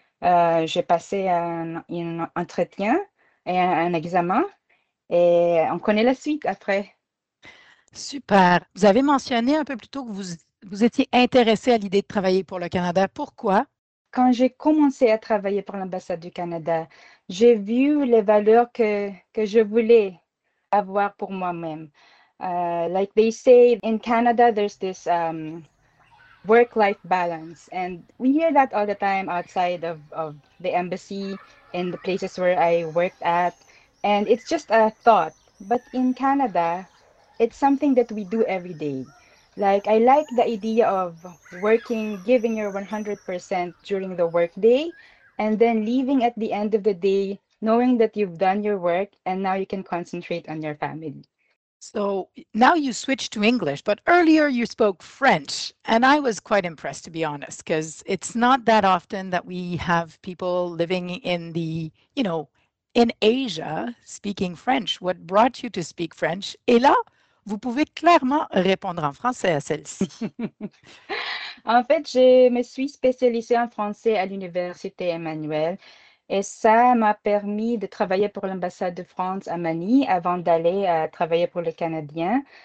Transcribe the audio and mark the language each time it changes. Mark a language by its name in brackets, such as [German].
[French] J'ai passé un entretien et un examen et on connaît la suite après. Super. Vous avez mentionné un peu plus tôt que vous étiez intéressé à l'idée de travailler pour le Canada. Pourquoi? Quand j'ai commencé à travailler pour l'ambassade du Canada, j'ai vu les valeurs que je voulais avoir pour moi-même. [English] Like they say, in Canada, there's this work-life balance. And we hear that all the time outside of the embassy, in the places where I worked at. And it's just a thought. But in Canada, it's something that we do every day. Like, I like the idea of working, giving your 100% during the workday, and then leaving at the end of the day, knowing that you've done your work, and now you can concentrate on your family. So now you switched to English, but earlier you spoke French, and I was quite impressed, to be honest, because it's not that often that we have people living in the, in Asia speaking French. What brought you to speak French? [French] Et là, vous pouvez clairement répondre en français à celle-ci. En fait, je me suis spécialisée en français à l'université Emmanuel et ça m'a permis de travailler pour l'ambassade de France à Manille avant d'aller travailler pour les Canadiens.